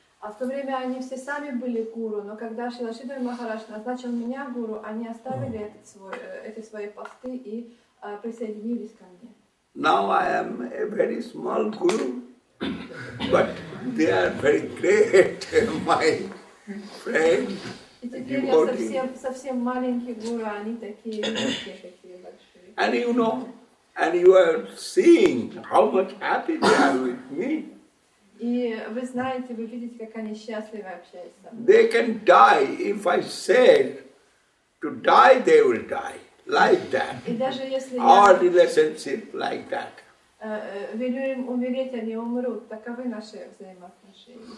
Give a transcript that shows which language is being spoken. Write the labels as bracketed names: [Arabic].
[Russian] А в то время они все сами были гуру, но когда Шрила Шридхара Махарадж назначил меня гуру, они оставили эти свои посты и присоединились ко мне. [English] Now I am a very small guru, but they are very great, my friend. [Russian] И теперь я совсем маленький гуру, они такие большие. [English] And you know, and you are seeing how much happy they are with me. [Russian] И вы знаете, вы видите, как они счастливы общаются. [English] They can die if I said to die, they will die like that. [Russian] И даже если [English] our relationship like that. [Russian] Велю им умереть, они умрут. Таковы наши взаимоотношения.